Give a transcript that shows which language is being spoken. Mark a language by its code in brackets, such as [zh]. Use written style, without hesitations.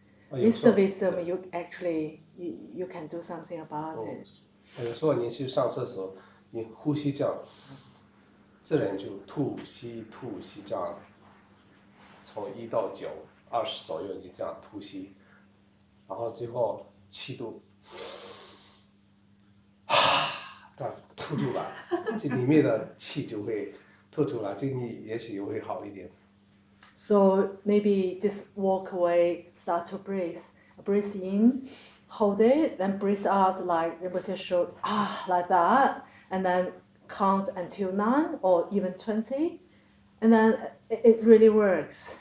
[en] With the wisdom, you can do something about it. [zh] 有时候你去上厕所，你呼吸这样，自然就吐息吐息这样，从一到九，二十左右你这样吐息，然后最后七度，啊，吐出来，这里面的气就会吐出来，就你也许会好一点。 [en] So maybe just walk away, start to breathe, breathe in, hold it, then breathe out like Rinpoche showed, ah, like that, and then count until 9 or even 20, and then it really works.